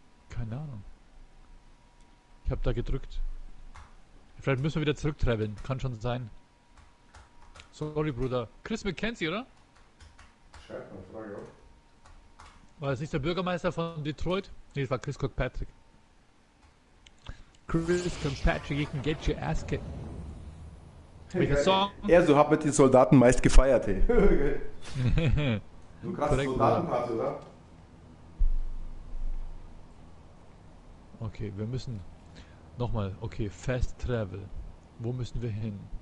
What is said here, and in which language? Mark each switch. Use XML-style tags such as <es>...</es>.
<de>Keine Ahnung. Ich hab da gedrückt. Vielleicht müssen wir wieder zurücktraveln. Kann schon sein. Sorry, Bruder. Chris McKenzie, oder? Scheiße, eine Frage, oder? War das nicht der Bürgermeister von Detroit? Nee, das war Chris Kirkpatrick.</de> <en>Chris Kirkpatrick, you can get your ass kicked.</en> <de>Welcher Song? Er so hat mit den Soldaten meist gefeiert, ey. Du krasse Soldatenparty, oder? Okay, wir müssen... Nochmal, okay, Fast Travel. Wo müssen wir hin?</de>